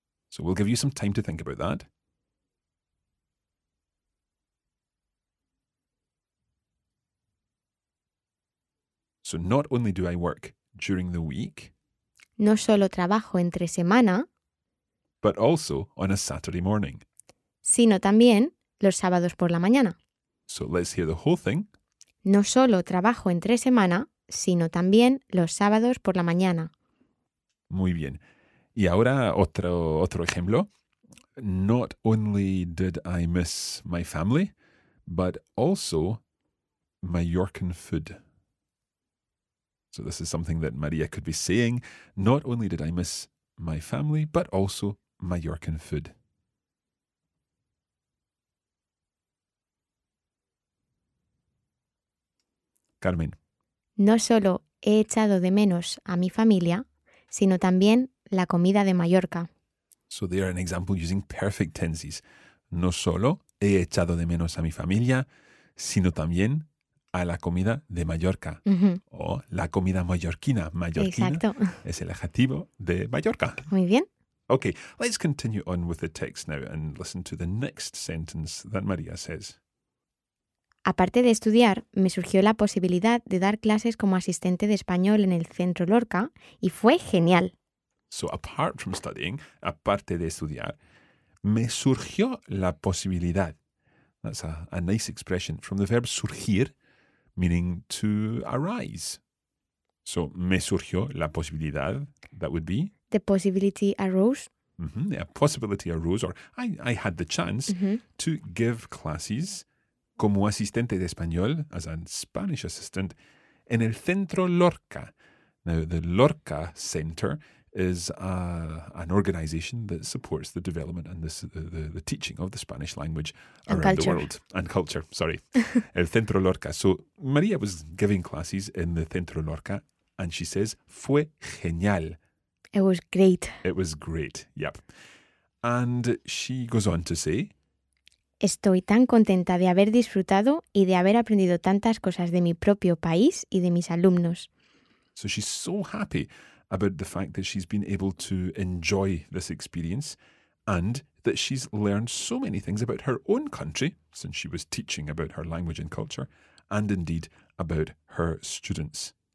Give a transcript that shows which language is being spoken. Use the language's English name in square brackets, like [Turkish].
[English] So we'll give you some time to think about that. So not only do I work during the week. [Spanish] No solo trabajo entre semana. [English] But also on a Saturday morning. [Spanish] Sino también los sábados por la mañana. [English] So let's hear the whole thing. [Spanish] No solo trabajo entre semana, sino también los sábados por la mañana. Muy bien. Y ahora otro ejemplo. [English] Not only did I miss my family, but also Mallorcan food. So this is something that Maria could be saying. Not only did I miss my family, but also Mallorcan food. Carmen. [Spanish] No solo he echado de menos a mi familia, sino también la comida de Mallorca. [English] So there an example using perfect tenses. [Spanish] No solo he echado de menos a mi familia, sino también a la comida de Mallorca. Uh-huh. O la comida mallorquina. Mallorquina. Exacto. Es el adjetivo de Mallorca. Muy bien. [English] Okay, let's continue on with the text now and listen to the next sentence that María says. [Spanish] Aparte de estudiar, me surgió la posibilidad de dar clases como asistente de español en el Centro Lorca y fue genial. [English] So apart from studying, [Spanish] aparte de estudiar, me surgió la posibilidad. [English] That's a nice expression from the verb surgir, meaning to arise. So [Spanish] me surgió la posibilidad, [English] that would be... The possibility arose. Mm-hmm, yeah, possibility arose, or I had the chance mm-hmm. to give classes [Spanish] como asistente de español, [English] as a Spanish assistant, [Spanish] en el Centro Lorca. [English] Now, the Lorca Center is an organization that supports the development and the teaching of the Spanish language around the world. And culture, sorry. El Centro Lorca. So, María was giving classes in the Centro Lorca, and she says, [Spanish] fue genial. [English] It was great. It was great, yep. And she goes on to say, [Spanish] estoy tan contenta de haber disfrutado y de haber aprendido tantas cosas de mi propio país y de mis alumnos. [English] So she's so happy about the fact that she's been able to enjoy this experience and that she's learned so many things about her own country since she was teaching about her language and culture and indeed about her students.